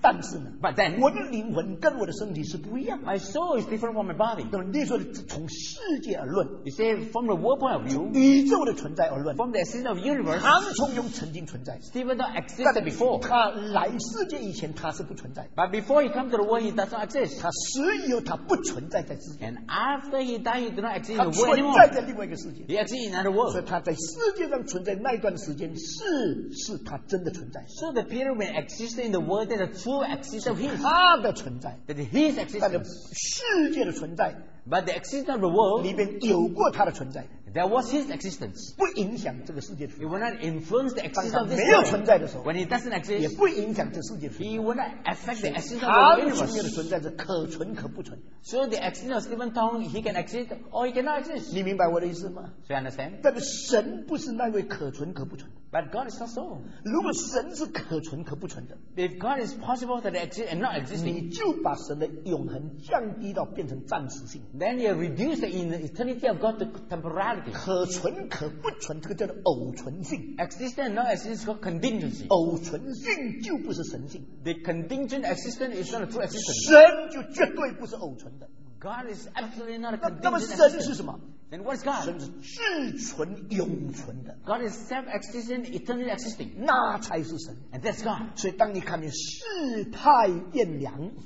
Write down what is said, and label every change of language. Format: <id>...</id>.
<zh>但是呢，</zh> <en>But then,</en> <zh>我的灵魂跟我的身体是不一样。</zh> <en>My soul is different from my body.</en> <zh>那么你说的从世界而论，</zh> <en>You say from the world point of view,</en> <zh>宇宙的存在而论，</zh> <en>From the existence of universe,</en> <zh>唐崇庸曾经存在。</zh> <en>Stephen Tong existed before.</en> <zh>他来世界以前他是不存在的。</zh> <en>But before he comes to the world, he does not exist.</en> <zh>他死以后他不存在在世界。</zh> <en>And after he died, he does not exist in the world anymore.</en> <zh>他存在在另外一个世界。</zh> <en>He exists in another world.</en> <zh>所以他在世界上存在那一段时间， 是他真的存在。</zh> <en>So the period when existed in the world, that the true existence of his,</en> <zh>他的存在，</zh> <en>that his existence,</en> <zh>世界的存在，</zh> <en>but the existence of the world,</en> <zh>里面有过他的存在，</zh> <en>there was his existence,</en> <zh>不影响这个世界的存在。</zh> <en>He will not influence the existence of this world.</en> <zh>没有存在的时候，</zh> <en>when he doesn't exist,</en> <zh>也不影响这世界的存在。</zh> <en>He will not affect the existence of the universe.</en> <zh>他的存在是可存可不存。</zh> <en>So the existence of Stephen Tong, he can exist or he cannot exist.</en> <zh>你明白我的意思吗？</zh> <en>So you understand?</en> <zh>但是神不是那位可存可不存。</zh> <en>But God is not so.</en> <zh>如果神是可存可不存的，</zh> <en>If God is possible that it exists and not existing,</en> <zh>你就把神的永恒降低到变成暂时性。</zh> <en>Then you reduce the eternity of God to temporality.</en> <zh>可存可不存这个叫做偶存性。</zh> <en>Existence and not existing is called contingency.</en> <zh>偶存性就不是神性。</zh> <en>The contingent existence is not a true existence.</en> <zh>神就绝对不是偶存的。</zh> <en>God is absolutely not a contingent existence. Then what is God?</en> <zh>神是至存永存的。</zh> <en>God is self-existent, eternally existing.</en> <zh>那才是神。</zh> <en>And that's God.</en> <zh>所以当你看见世态炎凉，</zh>